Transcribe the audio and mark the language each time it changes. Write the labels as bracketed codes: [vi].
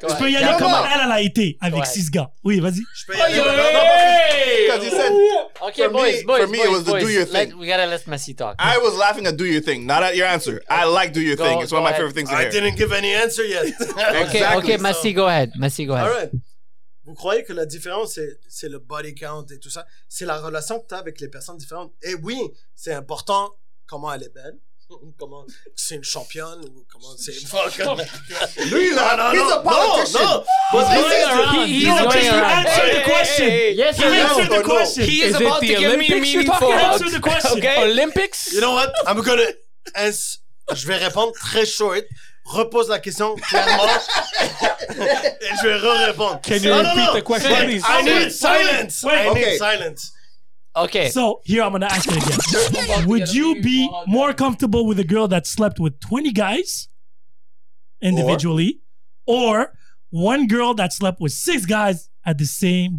[fr] Je peux y aller comme elle a été avec 6 gars. Oui, vas-y. Je peux y aller. Non, parce que. [en] Because you said. Okay, for me, it was the do your thing. We gotta let Messi talk. I was laughing at do your thing, not at your answer. I like do your thing. It's one of my favorite things to hear. I didn't give any answer yet. Okay, Messi, go ahead. Messi, go ahead. All right. [fr] Vous croyez que la différence, c'est le body count et tout ça? C'est la relation que tu as avec les personnes différentes. Et oui, c'est important comment elle est belle, comment c'est une championne ou comment c'est... Lui, là, [en] he's a politician. No, no. He's going around. Yes, he answered the question. He is about to give me a meaning for okay. Olympics. You know what? I'm going to answer. [fr] Je vais répondre très short. Repose la question clairement et je vais répondre. [en] Can you repeat the question? I need silence. Wait. Okay. So here I'm going to ask it again. Would you be more comfortable with a girl that slept with 20 guys individually or one girl that slept with 6 guys at the same